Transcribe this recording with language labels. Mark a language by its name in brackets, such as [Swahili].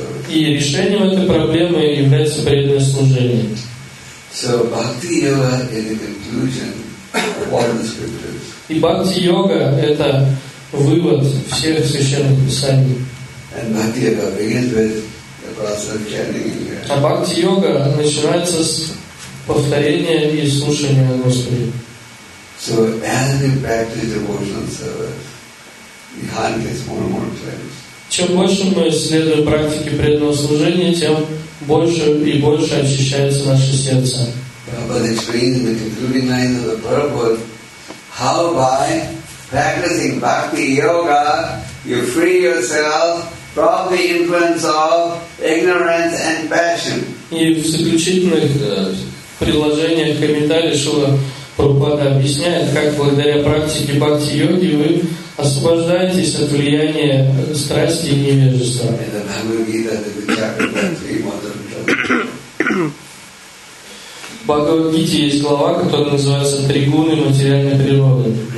[Russian] И решением этой проблемы является преданное служение. [English] So, Bhakti Yoga in the conclusion of all the scriptures. [Russian] И Бхакти Йога — это вывод всех священных писаний. [English] And Bhakti Yoga begins with the process of chanting here. [Russian] А Бхакти Йога начинается с повторения и слушания Господи. [English] So, as we practice devotional service, the heart gets more and more cleansed. [Russian] Чем больше мы следуем практике преданного служения, тем больше и больше очищается наше сердце. [English] Prabhupada explains in the concluding lines of the Purport how by practicing bhakti yoga you free yourself from the influence of ignorance and passion. [Russian] И в заключительных приложениях комментариях Шрила Прабхупада объясняет, как благодаря практике бхакти йоги вы освобождайтесь от влияния страсти и невежества. В Бхагавад-гите есть глава, которая называется «Тригуны материальной природы».